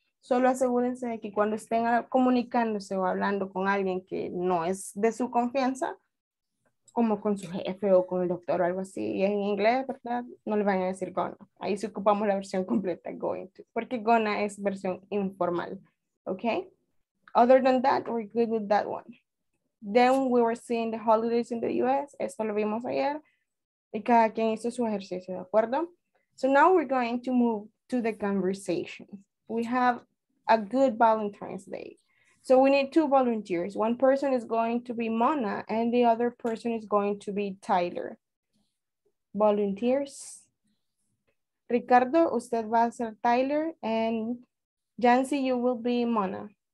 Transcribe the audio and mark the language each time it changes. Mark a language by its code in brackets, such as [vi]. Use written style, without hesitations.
[es] Solo asegúrense de que cuando estén comunicándose o hablando con alguien que no es de su confianza, como con su jefe o con el doctor o algo así, y es en inglés, ¿verdad? No le van a decir gonna. Ahí sí ocupamos la versión completa, going to. Porque gonna es versión informal. Okay? [en] Other than that, we're good with that one. Then we were seeing the holidays in the US. [es] Esto lo vimos ayer. Y cada quien hizo su ejercicio, ¿de acuerdo? [en] So now we're going to move to the conversation. We have a good Valentine's Day. So we need two volunteers. One person is going to be Mona and the other person is going to be Tyler. Volunteers. Ricardo, [es] usted va a ser [en] Tyler and Jancy, you will be Mona.